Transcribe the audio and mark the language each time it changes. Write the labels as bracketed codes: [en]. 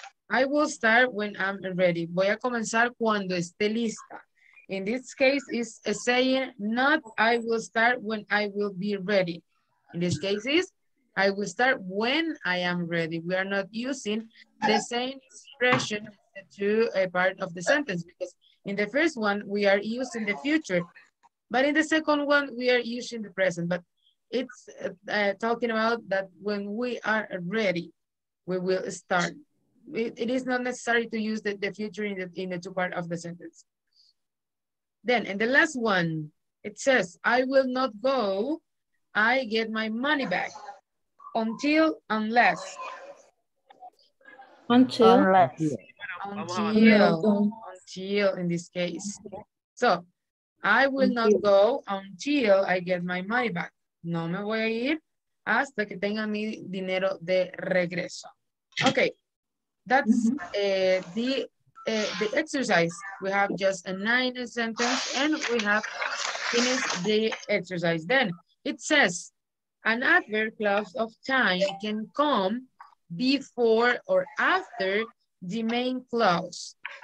[en] I will start when I'm ready. [es] Voy a comenzar cuando esté lista. [en] In this case, it's saying not I will start when I will be ready. In this case, is I will start when I am ready. We are not using the same expression to a part of the sentence, because in the first one, we are using the future. But in the second one, we are using the present. But it's talking about that when we are ready, we will start. It is not necessary to use the future in the two part of the sentence. Then, in the last one, it says, I will not go, I get my money back, until, unless. Until, in this case. So, I will not go until I get my money back. [es] No me voy a ir hasta que tenga mi dinero de regreso. [en] Okay, that's the exercise. We have just a 9 sentence and we have finished the exercise. Then it says an adverb clause of time can come before or after the main clause.